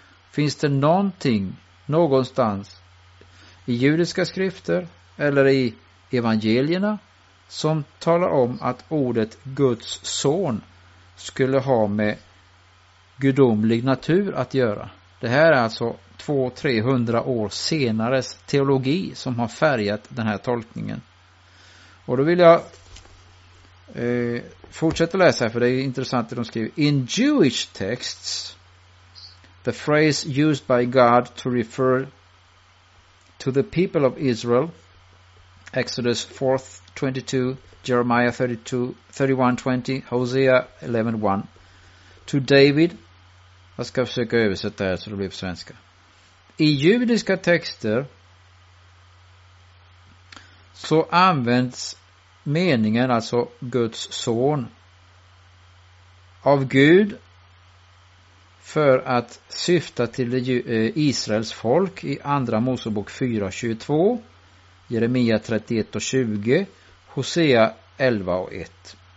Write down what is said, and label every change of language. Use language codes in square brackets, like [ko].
[sv] Finns det någonting någonstans i judiska skrifter eller i evangelierna som talar om att ordet Guds son skulle ha med gudomlig natur att göra? Det här är alltså 200-300 år senare teologi som har färgat den här tolkningen. Och då vill jag fortsätta läsa, för det är intressant det de skriver. [en] In Jewish texts, the phrase used by God to refer to the people of Israel, Exodus 4:22, Jeremiah 32:31-20, Hosea 11:1, to David. [sv] Jag ska försöka översätta det så det blir på svenska. I judiska texter så används meningen, alltså Guds son, av Gud för att syfta till Israels folk i andra Mosebok 4:22, Jeremia 31:20, Hosea 11:1.